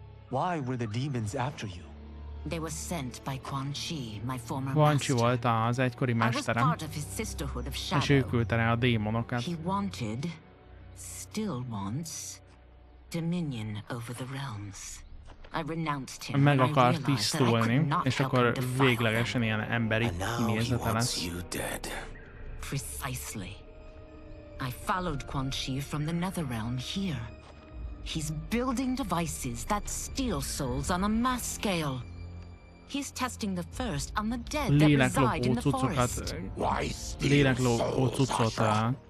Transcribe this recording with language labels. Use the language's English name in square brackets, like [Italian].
[English] Why were the demons after you? They were sent by Quan Chi, my former master. I was part of his sisterhood of shadow. He wanted, still wants, dominion over the realms. I renounced him. [Hungarian] Meg akar tisztulni, és akkor véglegesen ilyen emberi kinézete lesz. [English] Precisely. I followed Quan Chi from the Netherrealm here. He's building devices that steal souls on a mass scale. He's testing the first on the dead that reside in the forest. Why steal souls, Ashrah?